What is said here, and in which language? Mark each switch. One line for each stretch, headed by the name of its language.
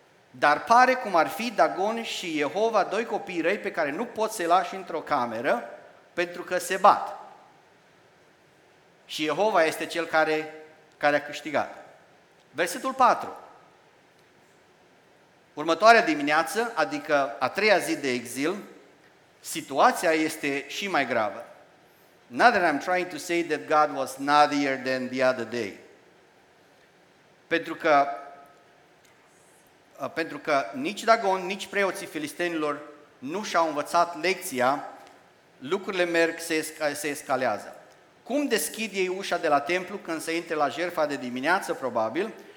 Romanian: Dar pare cum ar fi Dagon și Jehova, doi copii răi pe care nu pot să-i lași într-o cameră pentru că se bat. Și Jehova este cel care a câștigat. Versetul 4. Următoarea dimineață, adică a treia zi de exil, situația este și mai gravă.
English: Not that I'm trying to say that God was naughtier than the other day.
Romanian: Pentru că nici Dagon, nici preoții filistenilor nu și-au învățat lecția, lucrurile merg, se escalează. Cum deschid ei ușa de la templu când se intre la jertfa de dimineață, probabil?